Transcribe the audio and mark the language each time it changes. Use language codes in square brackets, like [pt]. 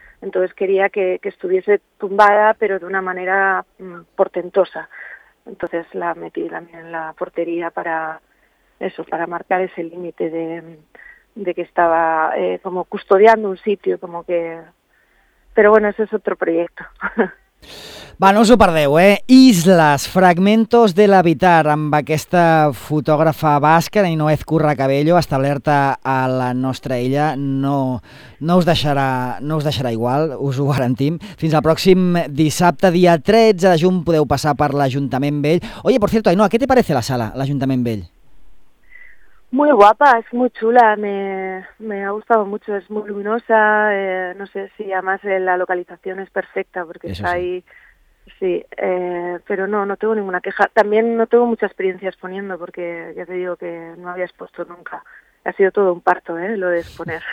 [es] Entonces quería que estuviese tumbada, pero de una manera portentosa. Entonces la metí también en la portería para eso, para marcar ese límite de que estaba como custodiando un sitio, como que... Pero bueno, ese es otro proyecto. [ca] Bueno, us ho perdeu, eh? Islas, fragmentos de l'habitar, amb aquesta fotògrafa basca, Ninoez Curracabello, establerta a la nostra illa. No us deixarà igual, us ho garantim. Fins al pròxim dissabte, dia 13 de juny, podeu passar per l'Ajuntament Vell. [es] Oye, por cierto, Ainhoa, ¿qué te parece la sala, l'Ajuntament Vell? Muy guapa, es muy chula, me ha gustado mucho, es muy luminosa, no sé si además la localización es perfecta porque está ahí, sí, pero no tengo ninguna queja. También no tengo mucha experiencia exponiendo porque ya te digo que no había expuesto nunca, ha sido todo un parto, lo de exponer.